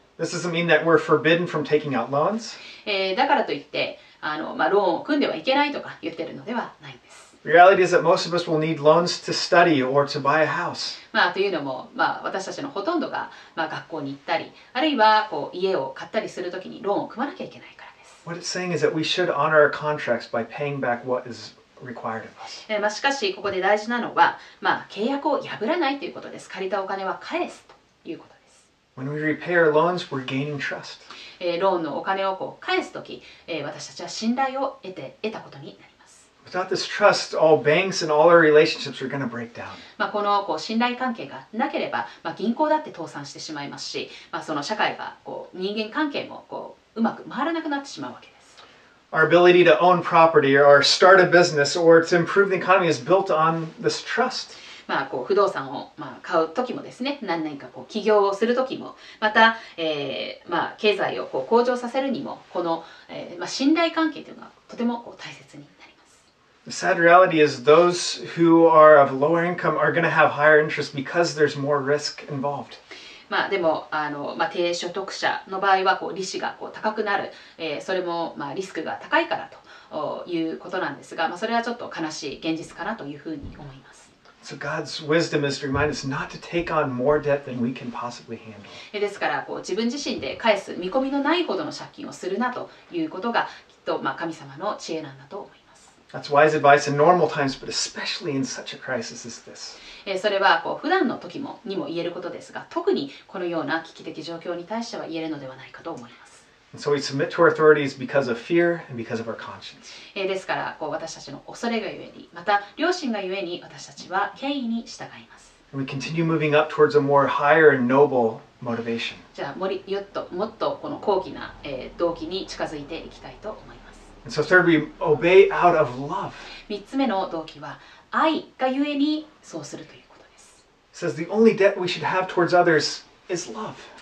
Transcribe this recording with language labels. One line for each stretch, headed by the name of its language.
English: This doesn't mean that we're forbidden from taking out loans.
Japanese: だからといって、まあ、ローンを組んではいけないとか言ってるのではないんです。
English: Reality is that most of us will need loans to study or to buy a house.
Japanese: まあ、というのも、まあ、私たちのほとんどが、まあ、学校に行ったり、あるいはこう家を買ったりするときにローンを組まなきゃいけないからです。
English: What it's saying is that we should honor our contracts by paying back what is required of us.
Japanese: まあ、しかし、ここで大事なのは、まあ、契約を破らないということです。借りたお金は返すということです。
English: When we repay our loans, we're gaining trust.
Japanese: ローンのお金をこう返すとき、私たちは信頼を得たことになります。
English: Without this trust, all banks and all our relationships are going to break down.
Japanese: まあこのこう信頼関係がなければ、まあ銀行だって倒産してしまいますし、まあその社会がこう人間関係もこううまく回らなくなってしまうわけです。
English: Our ability to own property or start a business or to improve the economy is built on this trust.
Japanese: まあ、こう不動産をまあ買うときもですね、何年かこう起業をするときも、またまあ経済をこう向上させるにも、このまあ信頼関係というのがとてもこう大切になります。
English: The sad reality is those who are of lower income are going to have higher interest because there's more risk involved.
Japanese: まあでも、まあ低所得者の場合はこう利子がこう高くなる、それもまあリスクが高いからということなんですが、まあそれはちょっと悲しい現実かなというふうに思います。
English: So God's wisdom is to remind us not to take on more debt than we can possibly handle.
Japanese: ですから、こう自分自身で返す見込みのないほどの借金をするなということがきっとまあ神様の知恵なんだと思います。
English: That's wise advice in normal times, but especially in such a crisis as this.
Japanese: それはこう普段の時もにも言えることですが、特にこのような危機的状況に対しては言えるのではないかと思います。
English: And so we submit to our authorities because of fear and because of our conscience.
Japanese: ですから、こう私たちの恐れがゆえに、また良心がゆえに私たちは権威に従います。
English: And we continue moving up towards a more higher and noble motivation.
Japanese: じゃあ、もっともっとこの高貴な、動機に近づいていきたいと思います。
English: And so third, we obey out of love.
Japanese: 三つ目の動機は、愛がゆえにそうするということです。
English: It says the only debt we should have towards others is love.